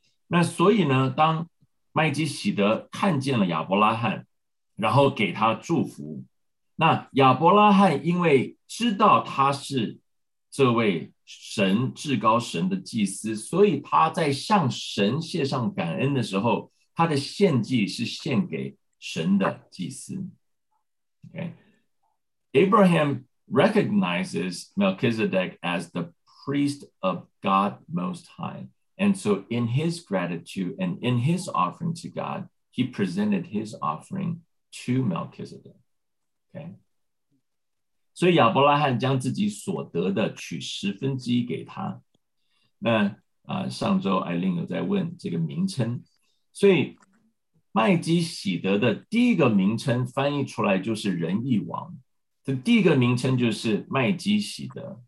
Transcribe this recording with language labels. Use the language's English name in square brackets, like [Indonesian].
[Chinese] 那所以呢，当麦基洗德看见了亚伯拉罕，然后给他祝福，那亚伯拉罕因为知道他是这位神至高神的祭司，所以他在向神献上感恩的时候，他的献祭是献给神的祭司。 [English] Okay. Abraham recognizes Melchizedek as the priest of God Most High. And so in his gratitude and in his offering to God, he presented his offering to Melchizedek. Okay. [Chinese] 所以亚伯拉罕将自己所得的取十分之一给他。那上周艾琳有在问这个名称，所以麦基洗德的第一个名称翻译出来就是仁义王，这第一个名称就是麦基洗德。